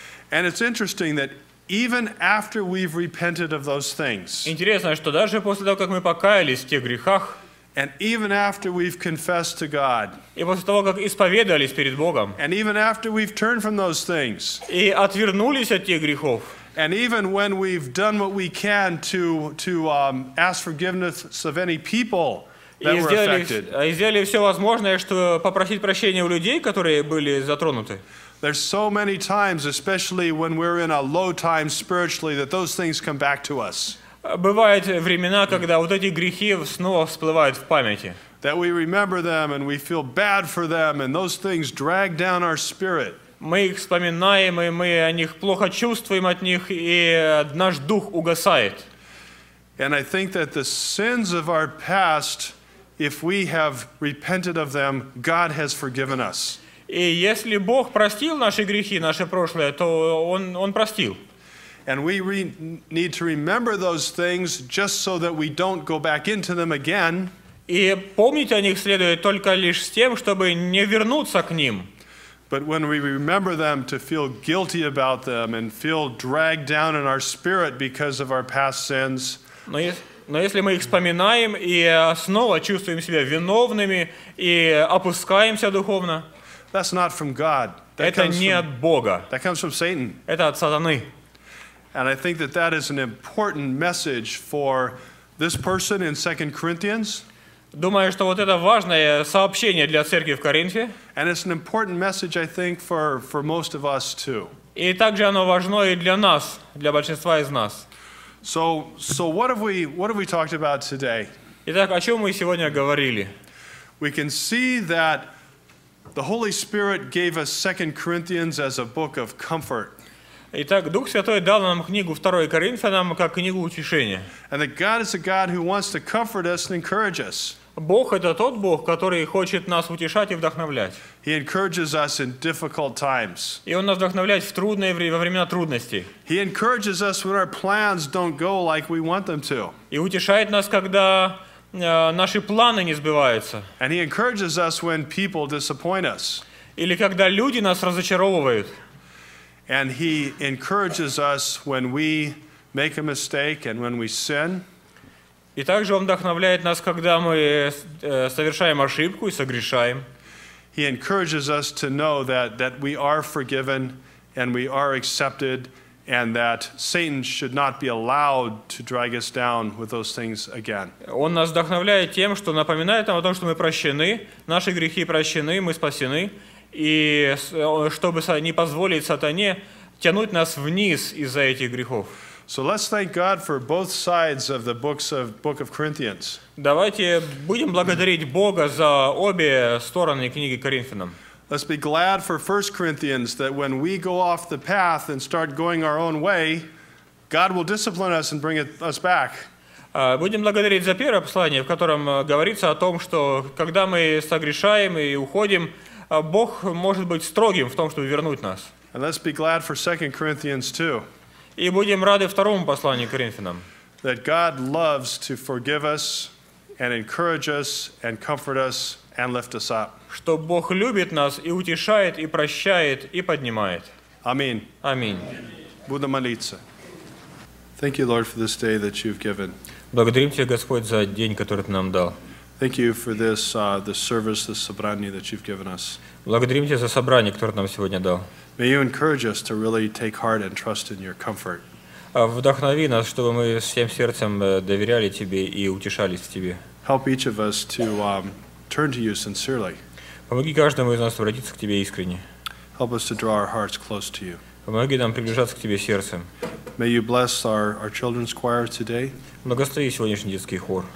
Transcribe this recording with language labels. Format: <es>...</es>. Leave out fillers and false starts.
<en>And it's interesting that even after we've repented of those things.</en> <ru>Интересно, что даже после того, как мы покаялись в тех грехах,</ru> <en>and even after we've confessed to God.</en> <ru>И после того, как исповедовались перед Богом.</ru> <en>And even after we've turned from those things.</en> <ru>И отвернулись от тех грехов.</ru> <en>And even when we've done what we can to ask forgiveness of any people.</en> <ru>И сделали все возможное, чтобы попросить прощения у людей, которые были затронуты.</ru> <en>There's so many times, especially when we're in a low time spiritually, that those things come back to us.</en> <ru>Бывают времена, когда вот эти грехи снова всплывают в памяти.</ru> <en>That we remember them and we feel bad for them, and those things drag down our spirit.</en> <ru>Мы их вспоминаем, и мы о них плохо чувствуем от них, и наш дух угасает.</ru> <en>And I think that the sins of our past, if we have repented of them, God has forgiven us.</en> <ru>И если Бог простил наши грехи, наше прошлое, то он простил.</ru> <en>And we need to remember those things just so that we don't go back into them again.</en> <ru>И помнить о них следует только лишь с тем, чтобы не вернуться к ним.</ru> <en>But when we remember them to feel guilty about them and feel dragged down in our spirit because of our past sins.</en> <ru>Но если мы их вспоминаем и снова чувствуем себя виновными и опускаемся духовно,</ru> <en>that's not from God.</en> <ru>Это не от Бога.</ru> <en>That comes from Satan.</en> <ru>Это от сатаны.</ru> <en>And I think that is an important message for this person in 2 Corinthians.</en> <ru>Думаю, что вот это важное сообщение для церкви в Коринфе.</ru> <en>And it's an important message, I think, for most of us too.</en> <ru>И также оно важно и для нас, для большинства из нас.</ru> <en>So what have we talked about today?</en> <ru>Итак, о чем мы сегодня говорили?</ru> <en>We can see that the Holy Spirit gave us 2 Corinthians as a book of comfort.</en> <ru>Итак, Дух Святой дал нам книгу 2 Коринфянам как книгу утешения.</ru> <en>And that God is a God who wants to comfort us and encourage us.</en> <ru>Бог это тот Бог, который хочет нас утешать и вдохновлять.</ru> <en>He encourages us in difficult times.</en> <ru>И он нас вдохновляет в трудные времена, во времена трудностей.</ru> <en>He encourages us when our plans don't go like we want them to.</en> <ru>И утешает нас, когда наши планы не сбываются.</ru> <en>And he encourages us when people disappoint us.</en> <ru>Или когда люди нас разочаровывают.</ru> <en>And he encourages us when we make a mistake and when we sin.</en> <ru>И также он вдохновляет нас, когда мы совершаем ошибку и согрешаем.</ru> <en>He encourages us to know that we are forgiven and we are accepted and that Satan should not be allowed to drag us down with those things again.</en> <ru>Он нас вдохновляет тем, что напоминает нам о том, что мы прощены, наши грехи прощены, мы спасены, и чтобы не позволить сатане тянуть нас вниз из-за этих грехов.</ru> <en>So let's thank God for both sides of the book of Corinthians.</en> <ru>Давайте будем благодарить Бога за обе стороны книги Коринфянам.</ru> <en>Let's be glad for 1 Corinthians that when we go off the path and start going our own way, God will discipline us and bring us back.</en> <ru>Будем благодарить за первое послание, в котором говорится о том, что когда мы согрешаем и уходим, Бог может быть строгим в том, чтобы вернуть нас.</ru> <en>And let's be glad for 2 Corinthians too.</en> <ru>И будем рады второму посланию Коринфянам.</ru> <en>That God loves to forgive us and encourage us and comfort us and lift us up.</en> <ru>Что Бог любит нас и утешает и прощает и поднимает. Аминь. Аминь. Буду молиться.</ru> <en>Thank you, Lord, for this day that you've given.</en> <ru>Благодарим тебя, Господь, за день, который ты нам дал.</ru> <en>Thank you for this service, this собрание that you've given us.</en> <ru>Благодарим тебя за собрание, которое ты нам сегодня дал.</ru> <en>May you encourage us to really take heart and trust in your comfort.</en> <ru>Вдохнови нас, чтобы мы всем сердцем доверяли тебе и утешались в тебе.</ru> <en>Help each of us to turn to you sincerely.</en> <ru>Помоги каждому из нас обратиться к тебе искренне.</ru> <en>Help us to draw our hearts close to you.</en> <ru>Помоги нам приближаться к тебе сердцем.</ru> <en>May you bless our children's choir today.</en> <ru>Благослови сегодняшний детский хор.</ru>